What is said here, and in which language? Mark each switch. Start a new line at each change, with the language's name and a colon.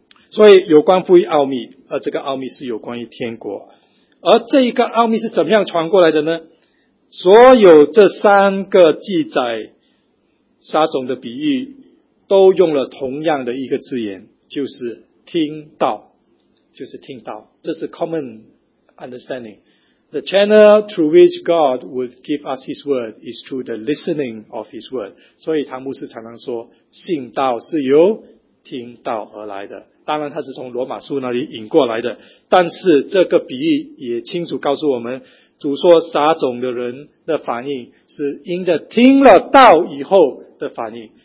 Chinese: 所以有关乎于奥秘，而这个奥秘是有关于天国。而这一个奥秘是怎么样传过来的呢？所有这三个记载撒种的比喻都用了同样的一个字眼，就是听到，就是听到。这是
English: common understanding. The channel through which God would give us His word is through the listening of His word.
Chinese: 所以唐牧师常常说，信道是由听到而来的。当然他是从罗马书那里引过来的，但是这个比喻也清楚告诉我们，主说撒种的人的反应是因着听了道以后的反应。